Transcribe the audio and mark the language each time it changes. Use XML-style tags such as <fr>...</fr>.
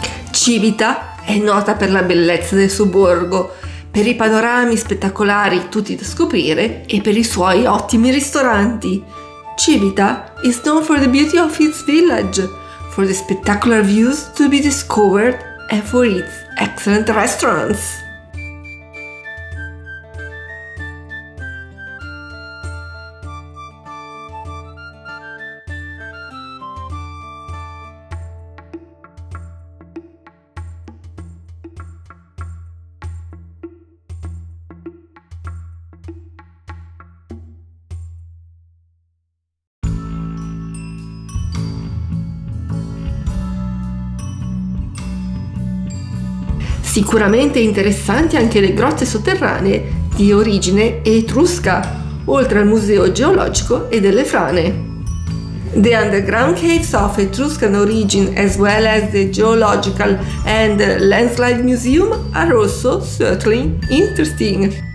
<it>Civita è nota per la bellezza del suo borgo, per i panorami spettacolari tutti da scoprire e per i suoi ottimi ristoranti.</it> <en>Civita is known for the beauty of its village, for the spectacular views to be discovered and for its excellent restaurants.</en> <it>Sicuramente interessanti anche le grotte sotterranee di origine etrusca, oltre al museo geologico e delle frane.</it> <en>The underground caves of Etruscan origin, as well as the geological and landslide museum, are also certainly interesting.</en>